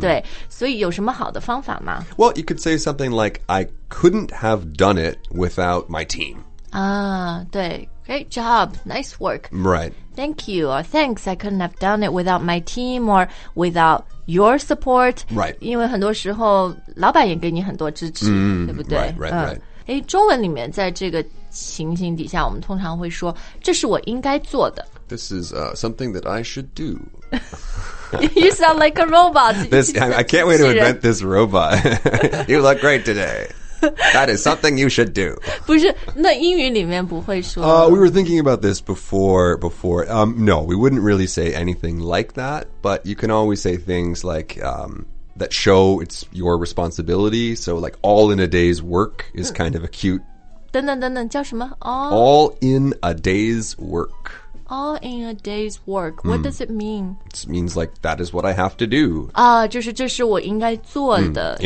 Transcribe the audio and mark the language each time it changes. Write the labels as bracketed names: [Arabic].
[Chinese] 对，所以有什么好的方法吗？ [English] Well, you could say something like, I couldn't have done it without my team. [Chinese] 啊，对。 [English] Great job. Nice work. Right. Thank you. Or thanks. I couldn't have done it without my team or without your support. Right. [Chinese] 因为很多时候老板也给你很多支持、 mm, 对不对 [English] right. [Chinese] 诶中文里面在这个情形底下我们通常会说这是我应该做的。 [English] This is、something that I should do. You sound like a robot. This, I can't wait to invent this robot. You look great today. That is something you should do. [Chinese] 不是那英语里面不会说、 [English] We were thinking about this before.、no, we wouldn't really say anything like that. But you can always say things like、that show it's your responsibility. So like all in a day's work is kind of a cute. [Chinese] 等等等等叫什么、oh. [English] All in a day's work. All in a day's work. What、mm. does it mean? It means like, that is what I have to do. [Chinese] 啊、就是这是我应该做的、mm.